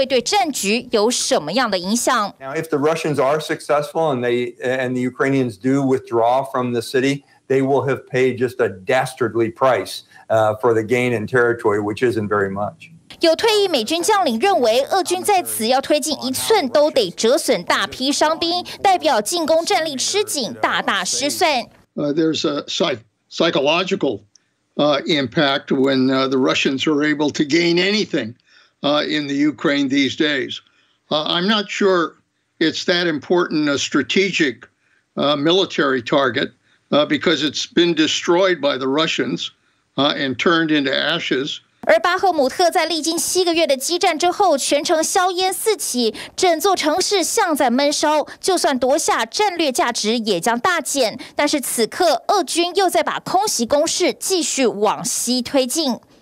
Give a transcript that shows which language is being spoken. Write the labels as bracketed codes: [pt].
[zh] 只是巴赫姆特确实守得辛苦，连乌克兰总统泽连斯基都说不排除撤退的可能性。若真的撤退，会对战局有什么样的影响？ [en] Now, if the Russians are successful and the Ukrainians do withdraw from the city, they will have paid just a dastardly price. For the gain in territory, which isn't very much. [zh] 有退役美军将领认为，俄军在此要推进一寸，都得折损大批伤兵，代表进攻战力吃紧，大大失算。 [en] There's a psychological impact when the Russians are able to gain anything in the Ukraine these days. I'm not sure it's that important a strategic military target because it's been destroyed by the Russians. And turned into ashes. [zh] 而巴赫姆特在历经7个月的激战之后，全城硝烟四起，整座城市像在闷烧。就算夺下，战略价值也将大减。但是此刻，俄军又在把空袭攻势继续往西推进。